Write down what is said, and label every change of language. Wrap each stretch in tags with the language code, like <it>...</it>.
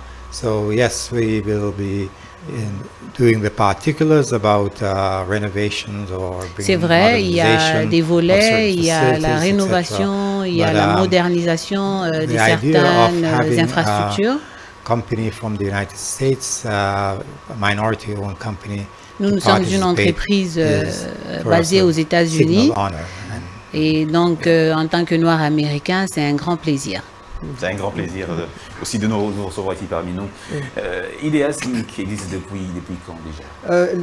<en>So yes, we will be in doing the particulars about renovations or</en> <fr>C'est vrai, il y a des volets, il y a la rénovation, il y a la modernisation de certaines infrastructures.</fr> <en>Company from the United States, minority owned company.</en> <fr>Nous sommes une entreprise basée aux États-Unis. Et donc en tant que noir américain, c'est un grand plaisir. C'est un grand plaisir aussi de nous recevoir ici parmi nous. IDEAS Inc. existe depuis quand déjà?</fr>